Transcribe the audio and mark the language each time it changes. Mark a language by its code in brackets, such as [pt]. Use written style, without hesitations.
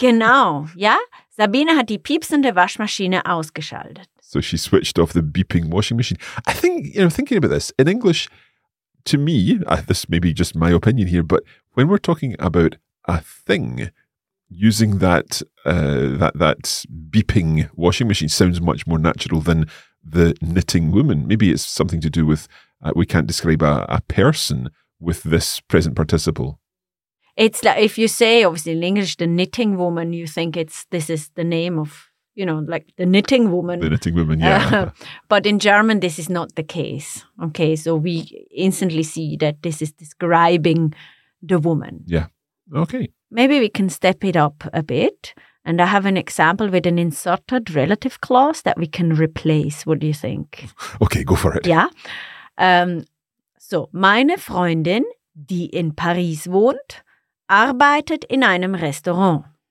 [de] Genau, ja, Sabine hat die piepsende Waschmaschine ausgeschaltet. [en] So she switched off the beeping washing machine. I think, you know, thinking about this, in English, to me, this may be just my opinion here, but when we're talking about a thing, using that beeping washing machine sounds much more natural than the knitting woman. Maybe it's something to do with we can't describe a person with this present participle. It's like if you say, obviously in English, the knitting woman, you think this is the name of, you know, like the knitting woman. The knitting woman, yeah. But in German, this is not the case. Okay, so we instantly see that this is describing the woman. Yeah, okay. Maybe we can step it up a bit. And I have an example with an inserted relative clause that we can replace. What do you think? Okay, go for it. Yeah. [de] So, meine Freundin, die in Paris wohnt, arbeitet in einem Restaurant.